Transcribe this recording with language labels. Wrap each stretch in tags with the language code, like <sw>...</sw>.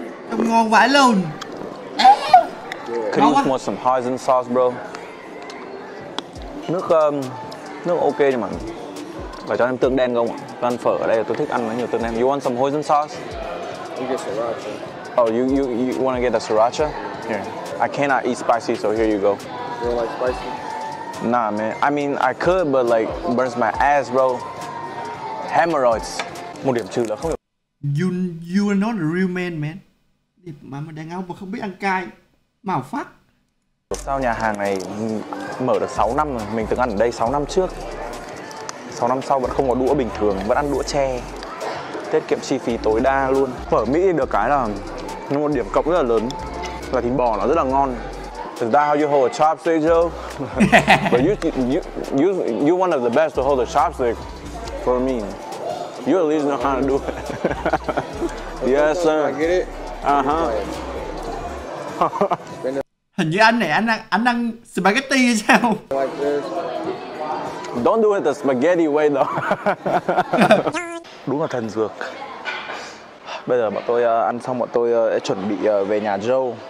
<vi>Trông ngon vãi luôn.</vi> <en>Could you use more some hoisin sauce, bro?</en> <vi>Nước ok nhưng mà phải cho em tương đen không ạ? Tôi ăn phở ở đây tôi thích ăn nhiều tương đen.</vi> <en>You want some hoisin sauce? You get sriracha. Oh, you want to get the sriracha? Here. I cannot eat spicy, so here you go. You don't like spicy? Nah, man. I mean, I could, but like, burns my ass, bro. Hemorrhoids.</en> <vi>Một điểm trừ là không được.</vi> <en>You are not a real man, man.</en> <vi>Mà đàn ông mà không biết ăn cay, màu phát. Sao nhà hàng này mở được 6 năm rồi, mình từng ăn ở đây 6 năm trước. 6 năm sau vẫn không có đũa bình thường, vẫn ăn đũa tre. Tiết kiệm chi phí tối đa luôn. Phở Mỹ được cái là nó một điểm cộng rất là lớn. Và thịt bò nó rất là ngon.</vi> <en>Is that how you hold a chopstick, Joe? But you one of the best to hold a chopstick for me. You at least know how to do it. Yes, sir. I get it. Uh-huh.</en> <vi>Hình như anh này anh ăn spaghetti hay sao?</vi> <en>Don't do it the spaghetti way though.</en> <vi>Đúng là thần dược. Bây giờ bọn tôi ăn xong bọn tôi sẽ chuẩn bị về nhà Joe.</vi>